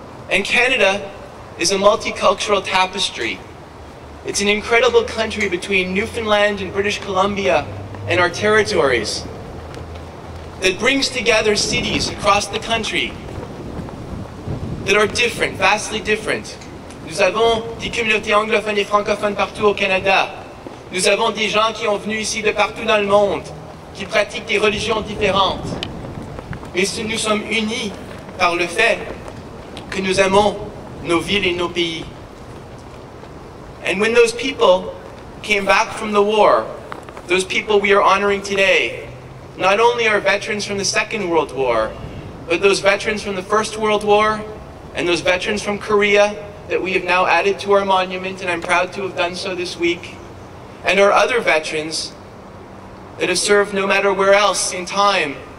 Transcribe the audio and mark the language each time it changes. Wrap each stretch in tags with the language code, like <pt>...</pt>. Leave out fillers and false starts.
<en>And Canada is a multicultural tapestry. It's an incredible country between Newfoundland and British Columbia and our territories that brings together cities across the country that are different, vastly different.</en> <fr>Nous avons des communautés anglophones et francophones partout au Canada. Nous avons des gens qui ont venu ici de partout dans le monde, qui pratiquent des religions différentes. Mais nous sommes unis par le fait que nous aimons nos villes et nos pays.</fr> <en>And when those people came back from the war, those people we are honoring today, not only are veterans from the Second World War, but those veterans from the First World War, and those veterans from Korea that we have now added to our monument, and I'm proud to have done so this week, and our other veterans that have served no matter where else in time.</en>